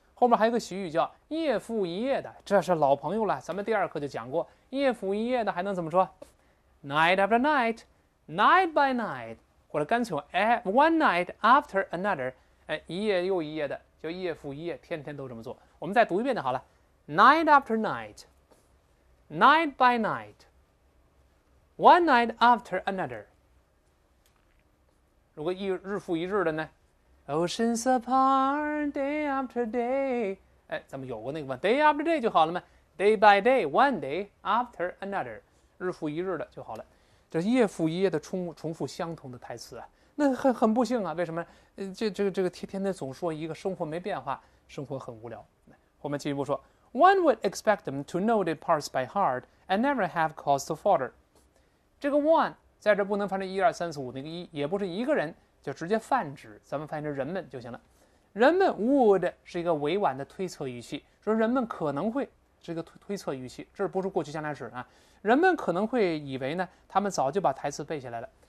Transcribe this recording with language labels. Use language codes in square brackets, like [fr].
[zh] 后面还有个习语叫夜复一夜的，这是老朋友了，咱们第二课就讲过，夜复一夜的还能怎么说？ night after night， night by night， 或者干脆 one night after another， 一夜又一夜的，就夜复一夜，天天都这么做。我们再读一遍就好了， [en] Night after night, night by night, one night after another. [zh] 如果一日复一日的呢？ [en] Oceans apart, day after day. [zh] 哎，咱们有过那个吗？ [en] Day after day [zh] 就好了吗？ [en] Day by day, one day after another. [zh] 日复一日的就好了。这夜复一夜的重复相同的台词啊，那很不幸啊。为什么？这个天天的总说一个生活没变化，生活很无聊。我们进一步说 [en] ，One would expect them to know the parts by heart and never have cause to falter。 [zh] 这个 one 在这不能翻成一二三四五那个一，也不是一个人，就直接泛指，咱们翻译成人们就行了。人们 would 是一个委婉的推测语气，说人们可能会。这个推测语气，这不是过去将来时啊。人们可能会以为呢，他们早就把台词背下来了。